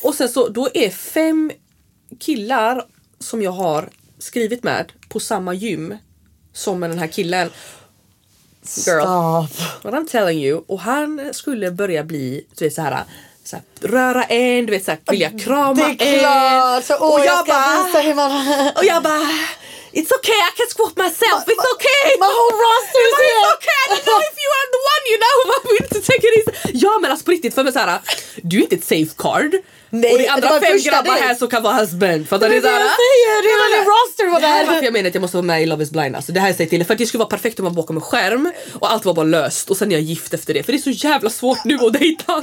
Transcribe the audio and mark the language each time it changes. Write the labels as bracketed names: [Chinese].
[Swedish] Och sen så, då är fem killar som jag har skrivit med på samma gym som med den här killen. [English] Girl. Stop. What I'm telling you. [Swedish] Och han skulle börja bli, du vet såhär, så här, röra en, du vet såhär, vilja krama en. Det är klart. Jag ska visa hur man... Och jag bara... [English] It's okay, I can squat myself, it's okay. My whole roster is here. It's okay, I don't know if you are the one, you know. We need to take it easy. [Swedish] Ja, men alltså på riktigt, för mig såhär, du är inte ett [English] safe card. [Swedish] Nej. Och det andra det fem grabbar här som kan vara husband. Fattar du såhär? Det är det jag säger, roster var det här. Det här jag menar att jag måste vara med i Love is Blind. Alltså det här jag säger till dig, för att det skulle vara perfekt om man bakom en skärm och allt var bara löst och sen är jag gift efter det. För det är så jävla svårt nu att dejta.